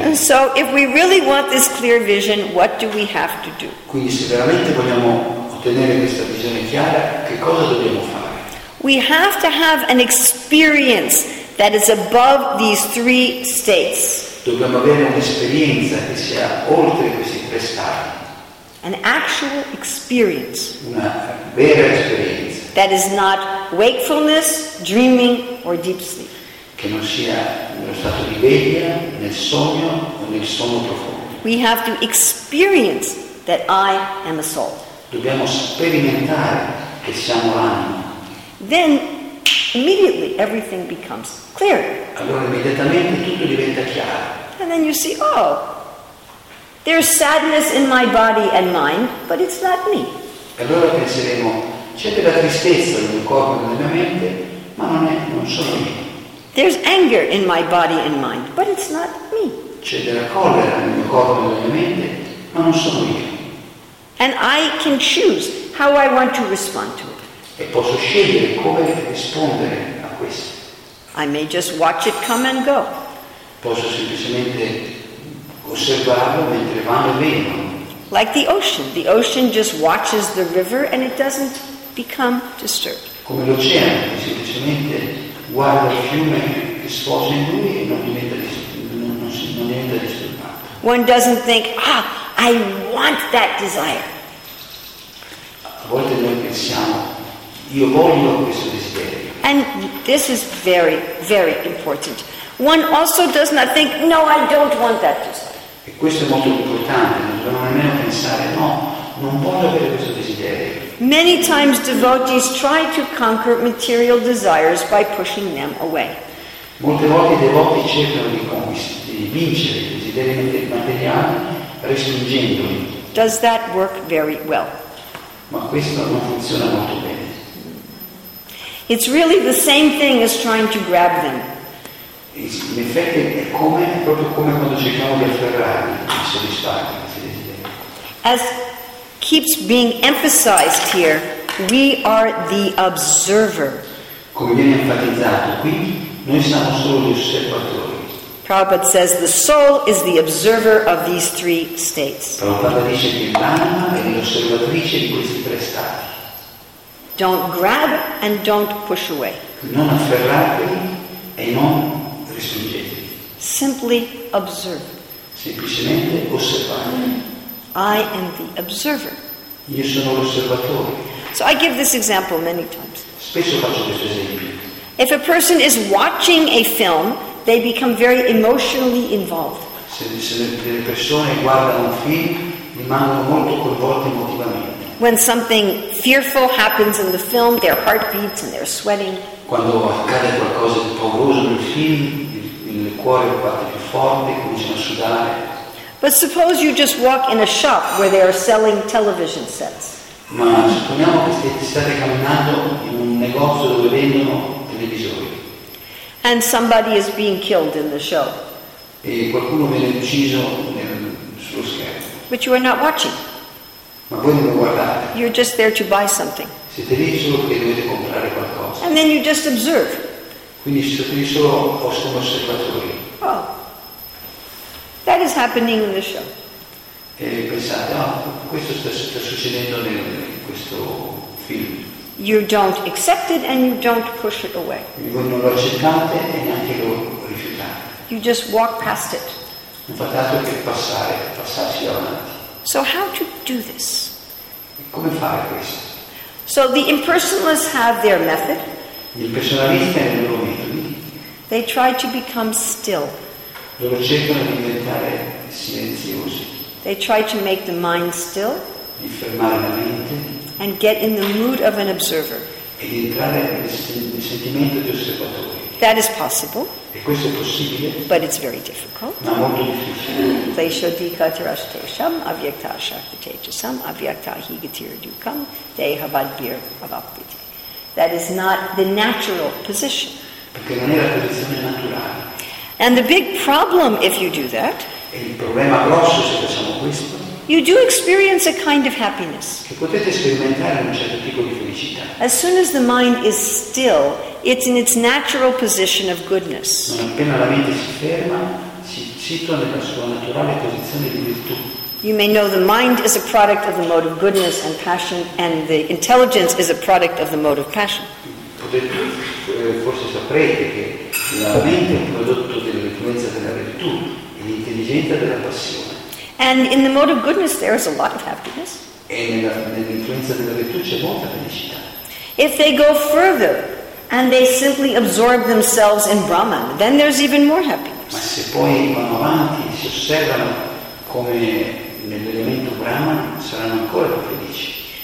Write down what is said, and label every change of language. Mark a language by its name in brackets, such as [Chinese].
[English] And so if we really want this clear vision, what do we have to do? [Italian] Quindi se veramente vogliamo ottenere questa visione chiara, che cosa dobbiamo fare? [English] We have to have an experience that is above these three states. [Italian] Dobbiamo avere un'esperienza che sia oltre questi tre stati. [English] An actual experience. [Italian] Una vera esperienza. [English] That is not wakefulness, dreaming, or deep sleep. [Italian] Che non sia uno stato di veglia, nel sogno o nel sonno profondo. [English] We have to experience that I am a soul. [Italian] Dobbiamo sperimentare che siamo anima. [English] Then immediately everything becomes clear. [Italian] Allora immediatamente tutto diventa chiaro. [English] And then you see, oh, there's sadness in my body and mind, but it's not me. [Italian] Allora penseremo, c'è della tristezza nel corpo e nella mente, ma non sono me. [English] There's anger in my body and mind, but it's not me. [Italian] C'è della collera nel corpo e nella mente, ma non sono io. [English] And I can choose how I want to respond to it. [Italian] E posso scegliere come rispondere a questo. [English] I may just watch it come and go. [Italian] Posso semplicemente osservarlo mentre va e viene. [English] Like the ocean. The ocean just watches the river and it doesn't become disturbed. [Italian] Come l'oceano che semplicemente guarda il fiume che sposa in lui e non diventa disturbato. [English] One doesn't think, I want that desire. [Italian] A volte noi pensiamo, io voglio questo desiderio. [English] And this is very, very important. One also does not think, no, I don't want that desire. [Italian] E questo è molto importante, non dobbiamo nemmeno pensare, no, non voglio avere questo desiderio. [English] Many times devotees try to conquer material desires by pushing them away. [Italian] Molte volte i devoti cercano di vincere i desideri materiali respingendoli. [English] Does that work very well? [Italian] Ma questo non funziona molto bene. [English] It's really the same thing as trying to grab them. [Italian] In effetti è come, proprio come quando cerchiamo di afferrarli, di soddisfarli, se desideri. [English] As keeps being emphasized here, we are the observer. [Italian] Come viene enfatizzato qui, noi siamo solo gli osservatori. [English] Prabhupada says the soul is the observer of these three states. [Italian] Prabhupada dice che l'anima è l'osservatrice di questi tre stati. [English] Don't grab and don't push away. [Italian] Non afferratevi e non respingetevi. [English] Simply observe. [Italian] Semplicemente osservate. [English] I am the observer. [Italian] Io sono l'osservatore. [English] So I give this example many times. [Italian] Spesso faccio questo esempio. [English] If a person is watching a film, they become very emotionally involved. [Italian] Se le persone guardano un film, rimangono molto coinvolte emotivamente. [English] When something fearful happens in the film, their heart beats and they're sweating. [Italian] Quando accade qualcosa di pauroso nel film, il cuore batte più forte, comincia a sudare. [English] But suppose you just walk in a shop where they are selling television sets. [Italian] Ma supponiamo che state camminando in un negozio dove vendono televisori. [English] And somebody is being killed in the show. [Italian] E qualcuno viene ucciso sullo schermo. [English] But you are not watching. [Italian] Ma voi non guardate. [English] You're just there to buy something. [Italian] Siete lì solo perché dovete comprare qualcosa. [English] And then you just observe. [Italian] Quindi siete lì solo posto un osservatore. [English] Oh, that is happening in the show. [Italian] E pensate, questo sta succedendo in questo film. [English] You don't accept it and you don't push it away. [Italian] E voi non lo accettate e neanche lo rifiutate. [English] You just walk past it. [Italian] Non fate altro che passarsi avanti. [English] So how to do this? [Italian] Come fare questo? [English] So the impersonalists have their method. [Italian] Gli impersonalisti hanno i loro metodi. [English] They try to become still. [Italian] Loro cercano di diventare silenziosi. [English] They try to make the mind still. [Italian] Di fermare la mente. [English] And get in the mood of an observer. [Italian] E di entrare nel sentimento di osservatore. [English] That is possible. [Italian] E questo è possibile. [English] But it's very difficult. [Italian] Ma molto difficile. [Sanskrit] Tesho dikatirashtesham avyakta shaktitejasam avyakta higatiradukam dehavadbir avapiti. [English] That is not the natural position. [Italian] Perché non è la posizione naturale. [English] And the big problem if you do that. [Italian] E il problema grosso se facciamo questo. [English] You do experience a kind of happiness. [Italian] Che potete sperimentare un certo tipo di felicità. [English] As soon as the mind is still, it's in its natural position of goodness. [Italian] Non appena la mente si ferma, si situa nella sua naturale posizione di virtù. [English] You may know the mind is a product of the mode of goodness and passion, and the intelligence is a product of the mode of passion. [Italian] Forse saprete che La mente è un prodotto dell'influenza della virtù e l'intelligenza della passione. [English] And in the mode of goodness there is a lot of happiness. [Italian] E nell'influenza della virtù c'è molta felicità. [English] If they go further and they simply absorb themselves in Brahman, then there's even more happiness. [Italian] Ma se poi vanno avanti e si osservano come nell'elemento Brahman, saranno ancora più felici.